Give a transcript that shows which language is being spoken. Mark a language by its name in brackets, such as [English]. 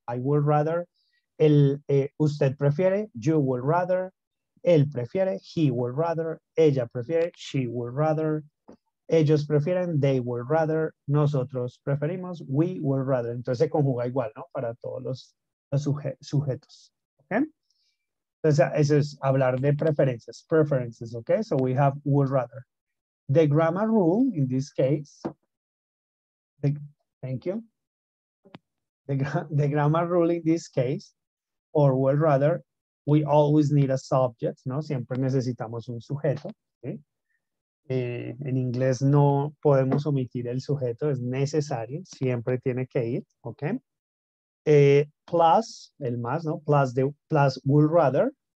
[English] I would rather, [Spanish] el, usted prefiere, [English] you would rather, [Spanish] él prefiere, [English] he would rather, [Spanish] ella prefiere, [English] she would rather, [Spanish] ellos prefieren, [English] they would rather, [Spanish] nosotros preferimos, [English] we would rather. [Spanish] Entonces se conjuga igual, ¿no? Para todos los sujetos, okay? Entonces, eso es hablar de preferencias, preferences, okay? [English] So we have would rather. The grammar rule in this case, thank you. The grammar rule in this case, or would rather, we always need a subject, ¿no? [Spanish] Siempre necesitamos un sujeto, okay? En inglés no podemos omitir el sujeto, es necesario, siempre tiene que ir, okay? Plus, el más, ¿no? Plus would rather.